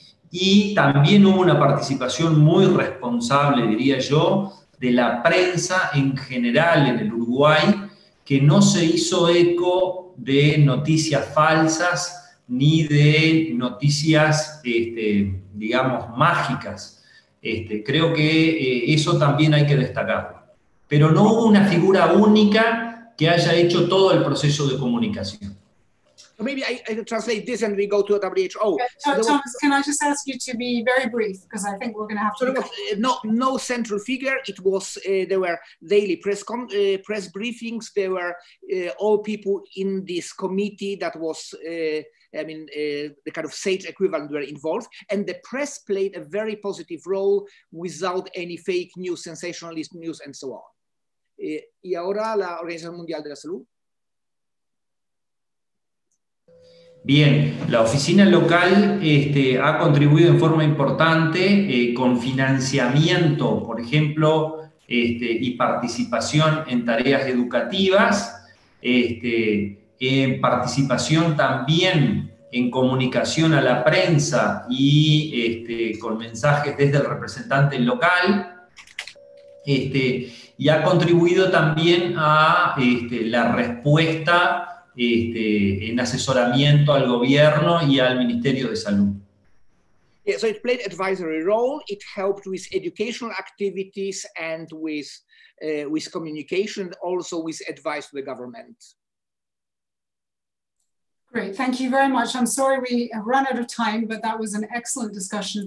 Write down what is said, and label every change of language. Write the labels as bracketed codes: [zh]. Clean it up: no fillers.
[es] y también hubo una participación muy responsable, diría yo, de la prensa en general en el Uruguay, que no se hizo eco de noticias falsas ni de noticias, digamos, mágicas. Creo que eso también hay que destacarlo. Pero no hubo una figura única que haya hecho todo el proceso de comunicación. [en] So maybe I translate this and we go to a WHO. Thomas, can I just ask you to be very brief, because I think we're going to have to... No central figure. It was, there were daily press briefings. There were all people in this committee that was, the kind of SAGE equivalent were involved. And the press played a very positive role without any fake news, sensationalist news, and so on. [es] Y ahora la Organización Mundial de la Salud. Bien, la oficina local ha contribuido en forma importante con financiamiento, por ejemplo, y participación en tareas educativas, en participación también en comunicación a la prensa y con mensajes desde el representante local, y ha contribuido también a la respuesta en asesoramiento al gobierno y al Ministerio de Salud. [en] Yeah, so it played advisory role. It helped with educational activities and with communication, also with advice to the government. Great, thank you very much. I'm sorry we have run out of time, but that was an excellent discussion.